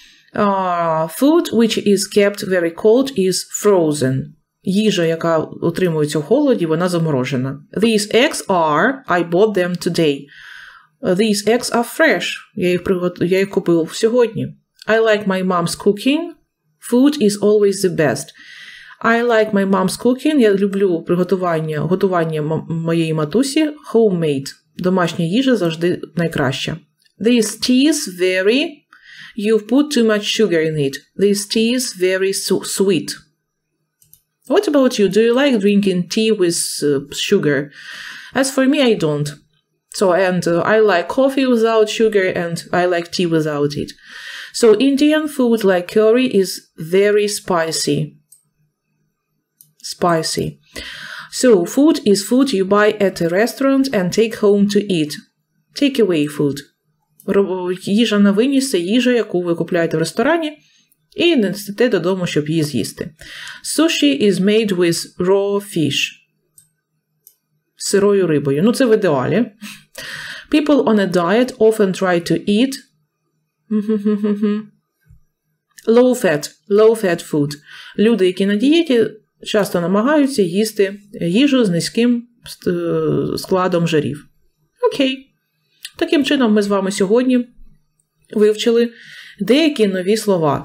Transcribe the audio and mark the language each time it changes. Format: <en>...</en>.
<en>Food, which is kept very cold, is frozen.</en> <uk>Їжа, яка утримується в холоді, вона заморожена.</uk> <en>These eggs are, I bought them today. These eggs are fresh.</en> <uk>Я їх купив сьогодні.</uk> <en>I like my mom's cooking. Food is always the best. I like my mom's cooking.</en> <uk>Я люблю готування моєї матусі.</uk> <en>Homemade.</en> <uk>Домашня їжа завжди найкраща.</uk> <en>This tea is very... You've put too much sugar in it. This tea is very sweet. What about you? Do you like drinking tea with sugar? As for me, I don't. So, and I like coffee without sugar and I like tea without it. So, Indian food like curry is very spicy. Spicy. So, food is food you buy at a restaurant and take home to eat. Take away food.</en> <uk>Їжа на виніс – це їжа, яку ви купляєте в ресторані і несете додому, щоб її з'їсти.</uk> <en>Sushi is made with raw fish.</en> <uk>Сирою рибою. Ну, це в ідеалі.</uk> <en>People on a diet often try to eat... Low-fat food.</en> <uk>Люди, які на дієті, часто намагаються їсти їжу з низьким складом жирів. Окей. Таким чином ми з вами сьогодні вивчили деякі нові слова.</uk>